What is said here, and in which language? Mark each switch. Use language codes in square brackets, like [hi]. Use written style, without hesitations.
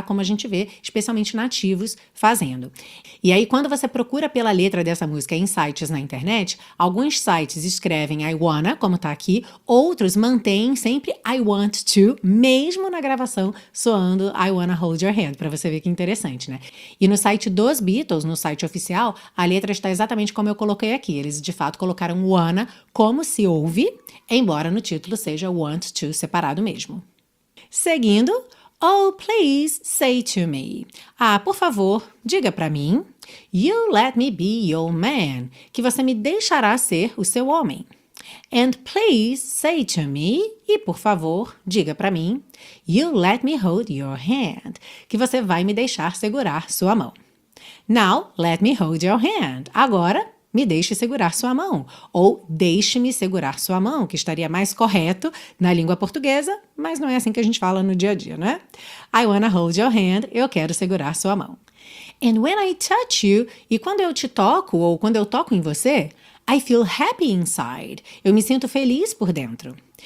[pt] Como a gente vê, especialmente nativos fazendo. E aí quando você procura pela letra dessa música em sites na internet, alguns sites escrevem I wanna, como tá aqui, outros mantêm sempre I want to, mesmo na gravação soando [en] I wanna hold your hand, [pt] pra você ver que interessante, né? E no site dos Beatles, no site oficial, a letra está exatamente como eu coloquei aqui. Eles, de fato, colocaram wanna como se ouve, embora no título seja want to separado mesmo. Seguindo, [en] oh, please say to me. [pt] Ah, por favor, diga pra mim. [en] You let me be your man. [pt] Que você me deixará ser o seu homem. [en] And please say to me. [pt] E por favor, diga pra mim. [en] You let me hold your hand. [pt] Que você vai me deixar segurar sua mão. [en] Now, let me hold your hand. [pt] Agora, me deixe segurar sua mão, ou deixe-me segurar sua mão, que estaria mais correto na língua portuguesa, mas não é assim que a gente fala no dia a dia, não é? [en] I wanna hold your hand, [pt] eu quero segurar sua mão. [en] And when I touch you, [pt] e quando eu te toco, ou quando eu toco em você, [en] I feel happy inside, [pt] eu me sinto feliz por dentro.